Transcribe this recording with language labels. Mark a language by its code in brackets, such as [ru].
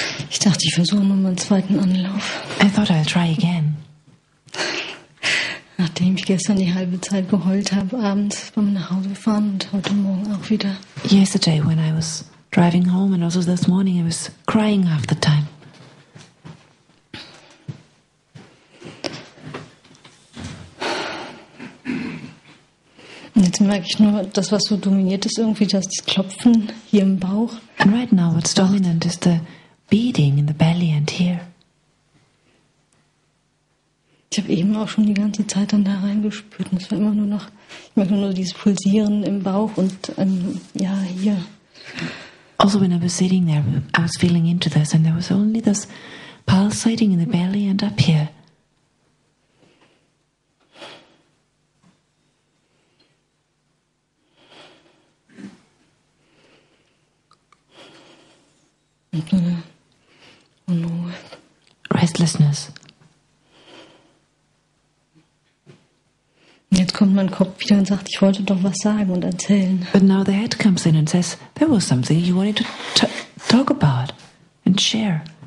[de] Ich dachte, ich versuche mal meinen zweiten Anlauf. [en] I thought I'll try again. [de] Nachdem ich gestern die halbe Zeit geheult habe, abends beim nach Hause fahren und heute Morgen auch wieder. [en] Yesterday when I was driving home and also this morning I was crying half the time. [de] Jetzt merke ich nur, das, was so dominiert ist, irgendwie das Klopfen hier im Bauch. [en] And right now what's dominant is the beating in the belly and here. [de] Ich habe eben auch schon die ganze Zeit dann da reingespürt und es war immer nur noch, ich merke nur dieses Pulsieren im Bauch und ja, hier. [en] Also when I was sitting there, I was feeling into this and there was only this pulsating in the belly and up here. Restlessness. [de] Jetzt kommt mein Kopf wieder und sagt, ich wollte doch was sagen und erzählen. [en] But now the head comes in and says, there was something you wanted to talk about and share.